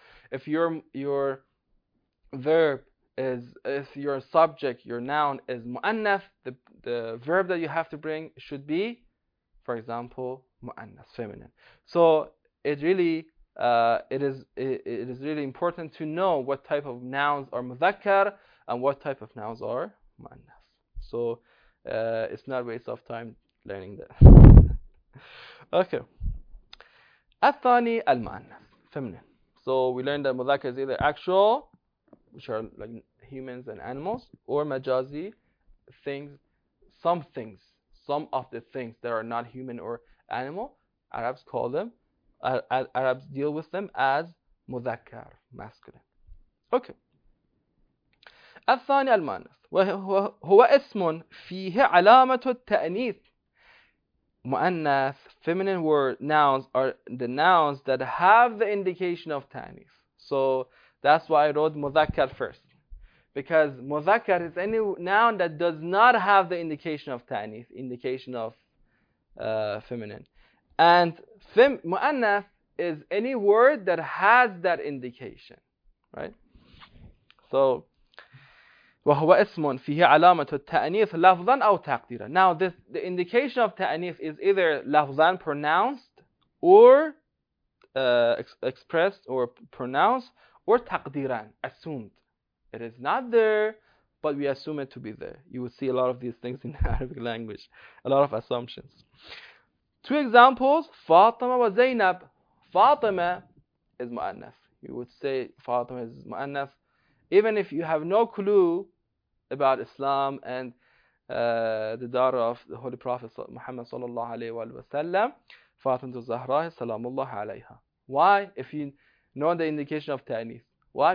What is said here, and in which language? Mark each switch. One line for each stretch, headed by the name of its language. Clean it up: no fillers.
English: If your verb is, if your subject, your noun is مؤنث, the verb that you have to bring should be, for example, مؤنث, feminine. So it is really important to know what type of nouns are مذكر and what type of nouns are مؤنث. So it's not a waste of time learning that. Okay.
Arabic: الثاني المؤنث, feminine.
English: So we learned that مذكر is either actual, which are like humans and animals, or مجازي, things, some things, some of the things that are not human or animal. Arabs call them, Arabs deal with them as مذكر, masculine. Okay.
Arabic: الثاني المؤنث هو اسم فيه علامة التأنيث.
English: مؤنث, feminine word, nouns are the nouns that have the indication of تأنيث. So that's why I wrote مذكر first. Because مذكر is any noun that does not have the indication of تأنيث, indication of feminine. And مؤنث is any word that has that indication, right? So,
Arabic: وهو اسم فيه علامة التأنيث لفظا أو تقديرا.
English: Now this, the indication of تأنيث is either لفظا pronounced or expressed or pronounced or تقديرا assumed. It is not there, but we assume it to be there. You will see a lot of these things in Arabic language. A lot of assumptions. Two examples, فاطمة وزينب.
Arabic: فاطمة is مؤنث.
English: You would say فاطمة is مؤنث. Even if you have no clue about Islam and the daughter of the Holy Prophet Muhammad sallallahu alayhi wa sallam, Fatimatu Zahra salamullah alayha. Why? If you know the indication of ta'anith. Why?